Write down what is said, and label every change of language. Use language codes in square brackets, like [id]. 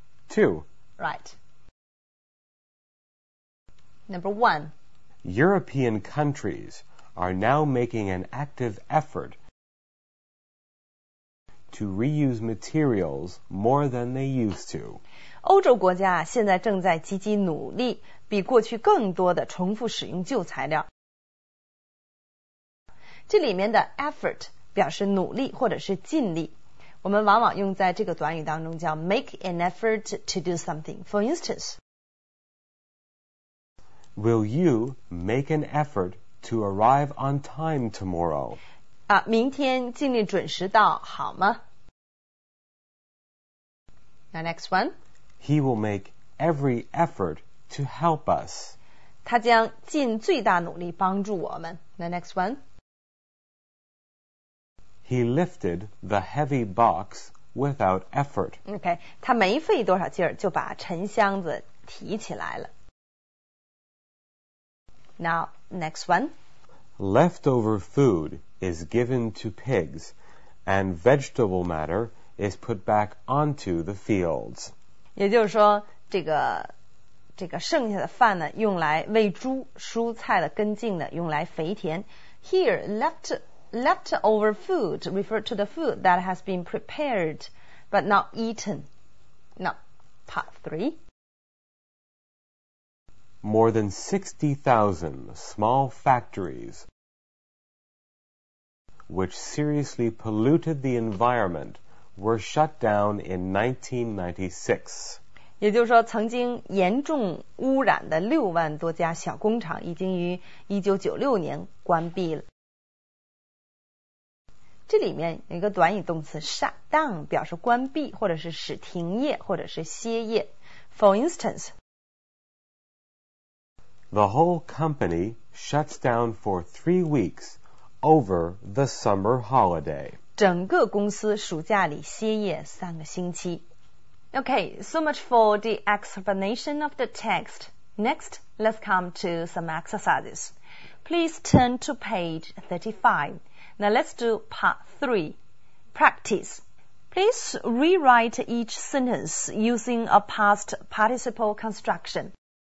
[en] 2. Right. Number one, European countries are now making an active effort to reuse materials more than they used to. [zh] 欧洲国家现在正在积极努力比过去更多的重复使用旧材料。这里面的 effort 表示努力或者是尽力。我们往往用在这个短语当中叫 [en] make an effort to do something. For instance, Will you make an effort to arrive on time tomorrow? [zh] 啊，明天尽力准时到好吗？ [en] Now next one. He will make every effort to help us. [zh] 他将尽最大努力帮助我们。 [en] Now next one. He lifted the heavy box without effort. [zh] Okay, 他没费多少劲儿就把沉箱子提起来了。 [en] Now, next one. Leftover food is given to pigs, and vegetable matter is put back onto the fields. [zh] 也就是说，这个剩下的饭呢，用来喂猪，蔬菜的根茎呢，用来肥田。 [en] Here, leftover food refer to the food that has been prepared but not eaten. Now, part three. More than 60,000 small factories which seriously polluted the environment were shut down in 1996. [zh] 也就是说曾经严重污染的六万多家小工厂已经于1996年关闭了。这里面有一个短语动词 [en] shut down [zh] 表示关闭或者是使停业或者是歇业。 [en] For instance, The whole company shuts down for 3 weeks over the summer holiday. [zh] 整个公司暑假里歇业三个星期。 [en] Okay, so much for the explanation of the text. Next, let's come to some exercises. Please turn to page 35. Now let's do part 3, practice. Please rewrite each sentence using a past participle construction.